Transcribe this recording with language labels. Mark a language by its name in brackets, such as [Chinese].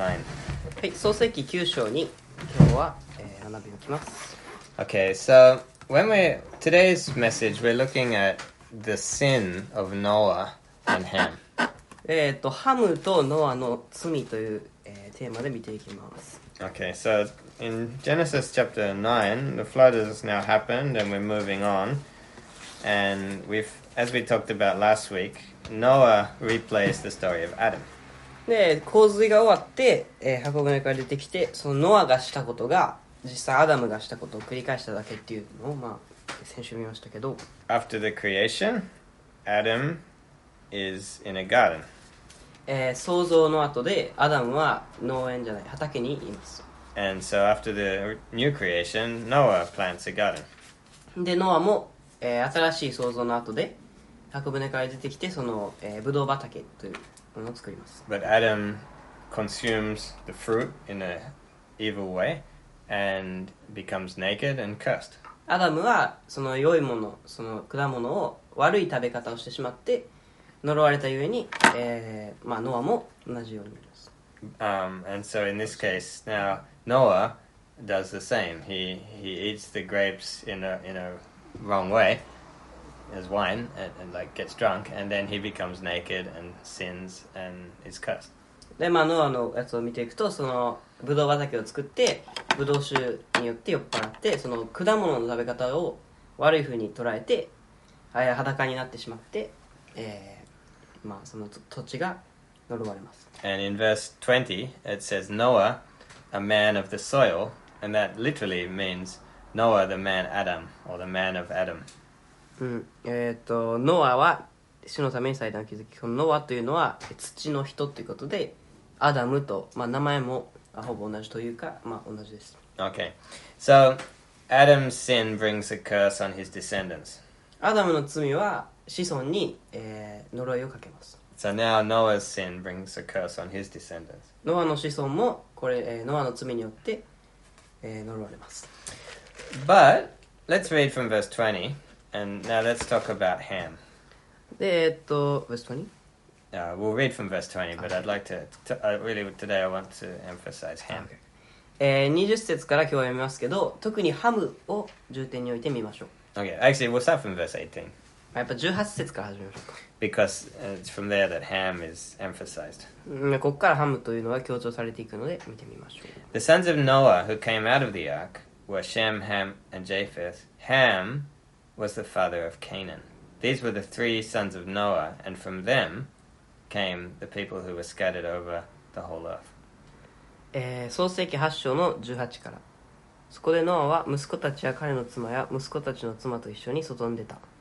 [Japanese] はい、創世記9章に今日は、学びに来ます。 [English] Okay, so when we today's message, we're looking at the sin of Noah and Ham. [Japanese] ハムとノアの罪という、テーマで見ていきます。 [English] Okay, so in Genesis chapter 9, the flood has now happened and we're moving on. And we've, as we talked about last week, Noah replays the story of Adam. [Japanese] で、洪水が終わって、箱舟から出てきて、そのノアがしたことが、実際アダムがしたことを繰り返しただけっていうのを、まあ、先週見ましたけど。 [English] After the creation, Adam is in a garden. [Japanese] 創造の後で、アダムは農園じゃない、畑にいます。 [English] And so after the new creation, Noah plants a garden. [Japanese] で、ノアも、新しい創造の後で、箱舟から出てきて、その、ブドウ畑というものを作ります。 [English] But Adam consumes the fruit in an evil way and becomes naked and cursed. [Japanese] アダムはその良いもの、その果物を悪い食べ方をしてしまって、呪われたゆえに、まあ、ノアも同じようになります。 [English] And so in this case, now Noah does the same. He eats the grapes in a wrong way. As wine and like gets drunk, and then he becomes naked and sins and is cursed. [Japanese] で、まあ、ノアのやつを見ていくと、そのブドウ畑を作って、ブドウ酒によって酔っ払って、その果物の食べ方を悪い風に捉えて、裸になってしまって、まあ、その土地が呪われます。 [English] And in verse 20, it says Noah, a man of the soil, and that literally means Noah, the man Adam, or the man of Adam. [Japanese] うん、ノアは主のために祭壇を築き、このノアというのは土の人ということで、アダムと、まあ、名前もほぼ同じというか、まあ、同じです。 [English] Okay. So, Adam's sin brings a curse on his descendants. [Japanese] アダムの罪は子孫に、呪いをかけます。 [English] So now Noah's sin brings a curse on his descendants. [Japanese] ノアの子孫もこれ、ノアの罪によって、呪われます。 [English] But, let's read from verse 20. And now let's talk about Ham. で、verse 20? We'll read from verse 20, but I'd like today I want to emphasize Ham. Okay. [Japanese] 20節から今日は読みますけど、特にハムを重点に置いてみましょう。 [English] Okay, actually, we'll start from verse 18. [Japanese] やっぱ18節から始めましょうか。 [English] Because it's from there that Ham is emphasized. [Japanese] ここからハムというのが強調されていくので、見てみましょう。 [English] The sons of Noah who came out of the ark were Shem, Ham, and Japheth. Ham... was the father of Canaan. These were the three sons of Noah, and from them came the people who were scattered over the whole earth. [Japanese] 創世記8章の18から。そこでノアは息子たちや彼の妻や息子たちの妻と一緒に外に出た。